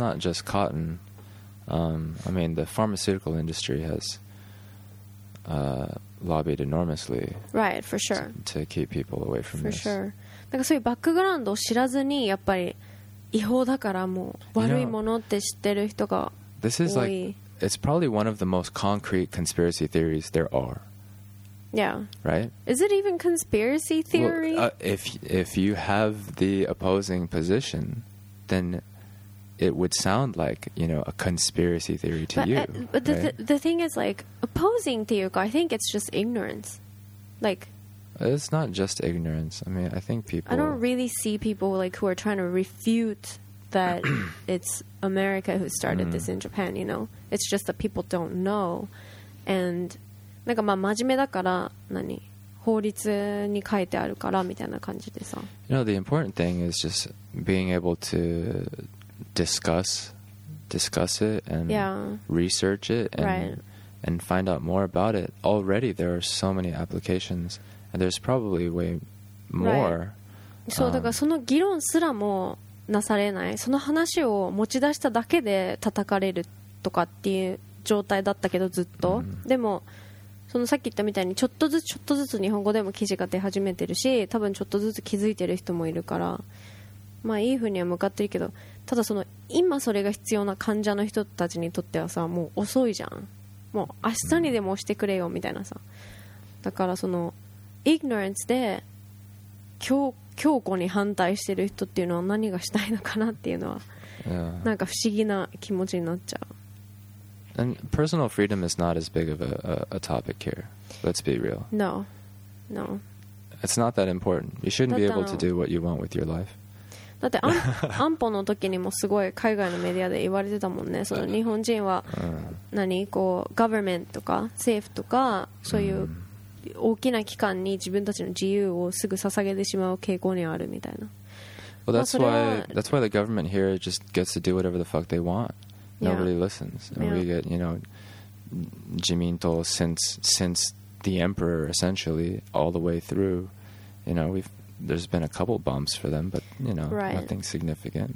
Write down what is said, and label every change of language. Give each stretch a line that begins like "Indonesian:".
English: It's not just cotton. I mean the pharmaceutical industry haslobbied enormously right, for sure. to keep people away from for this. For sure.
Japanese: なんかそういうバックグラウンドを知らずにやっぱり違法だからもう悪いものって知ってる人が多い。
English: This is like, it's probably one of the most concrete conspiracy theories there are. Yeah. Right? Is it even conspiracy theory? Well, if you have the opposing position, then... It would sound like, you know, a conspiracy theory to but, you. But the,、right? the thing is, like, opposing to you, I think it's just ignorance. Like, it's not just ignorance. I mean, I think people... I don't really see people, like, who are trying to refute that it's America who started this in Japan, you know? It's just that people don't know. And,
Japanese: なんかまあ真面目だから、何法律に書いてあるからみたいな感じでさ。
English: You know, the important thing is just being able to discuss it and research it and,、and find out more about it. Already there are so many applications and there's probably way more.、
Japanese: そう、だからその議論すらもなされない。その話を持ち出しただけで叩かれるとかっていう状態だったけどずっと、でもそのさっき言ったみたいにちょっとずつちょっとずつ日本語でも記事が出始めてるし、多分ちょっとずつ気づいてる人もいるから、まあいい風には向かってるけど、ただその今それが必要な患者の人たちにとってはさ、もう遅いじゃん。もう明日にでも押してくれよみたいなさ。だからそのイグノランスで強固に反対してる人っていうのは何がしたいのかなっていうのは、なんか不思議な気持ちになっちゃう。
English: And personal freedom is not as big of a topic here. Let's be real. No. No. It's not that important. You shouldn't be able to do what you want with your life.
Japanese: だって安保の時にもすごい海外のメディアで言われてたもんね。その日本人は何こう、ガバメントとか政府とかそういう大きな機関に自分たちの自由をすぐ捧げてしまう傾向にあるみたいな。
English: Well, that's why the government here just gets to do whatever the fuck they want. Nobody listens. And we get, you know, 自民党 since the emperor, essentially, all the way through. You know, there's been a couple bumps for them, but, you know,、nothing significant.